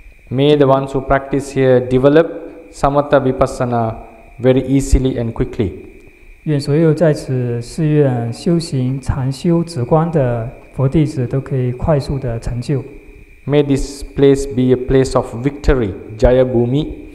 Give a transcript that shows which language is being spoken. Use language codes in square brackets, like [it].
[en] May the ones who practice here develop samatha vipassana very easily and quickly. [zh] 愿所有在此寺院修行禅修止观的佛弟子都可以快速的成就. [en] May this place be a place of victory, Jaya Bhumi.